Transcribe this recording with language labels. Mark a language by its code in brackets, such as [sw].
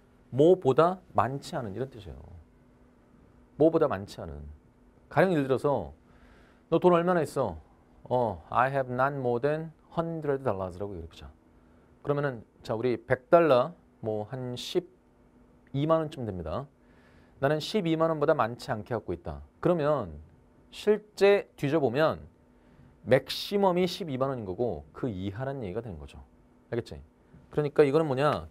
[ko] 뭐보다 많지 않은 이런 뜻이에요. 뭐보다 많지 않은. 가령 예를 들어서 너돈 얼마나 있어? [en] I have not more than 100 dollars [ko] 라고 이렇게 보자. 그러면은 자, 우리 100달러 뭐한 12만 원쯤 됩니다. 나는 12만 원보다 많지 않게 갖고 있다. 그러면 실제 뒤져보면 맥시멈이 12만 원인 거고 그 이하라는 얘기가 되는 거죠. 알겠지? 그러니까 이거는 뭐냐?